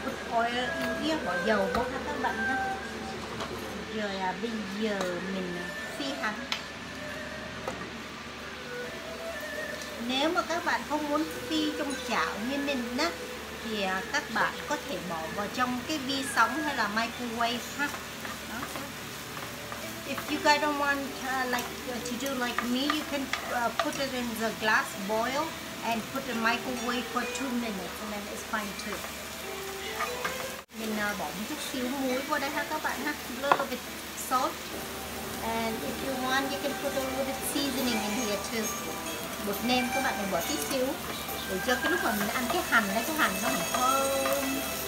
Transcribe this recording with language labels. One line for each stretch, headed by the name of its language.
Vietnamese: Bỏ dầu vô ha các bạn nhé. Rồi bây giờ mình phi hành. Nếu mà các bạn không muốn phi trong chảo như mình á, thì các bạn có thể bỏ vào trong cái vi sóng hay là microwave ha. Đó.
English: If you guys don't want to do like me, you can put it in the glass boil and put in microwave for 2 minutes and then it's fine too.
Vietnamese: Mình bỏ một chút xíu muối vào đây ha các bạn ha.
English: Little bit salt. And if you want, you can put a little bit seasoning in here too.
Vietnamese: Bột nêm các bạn mình bỏ tí xíu để cho cái lúc mà mình ăn cái hành đấy, cái hành nó mình thơm.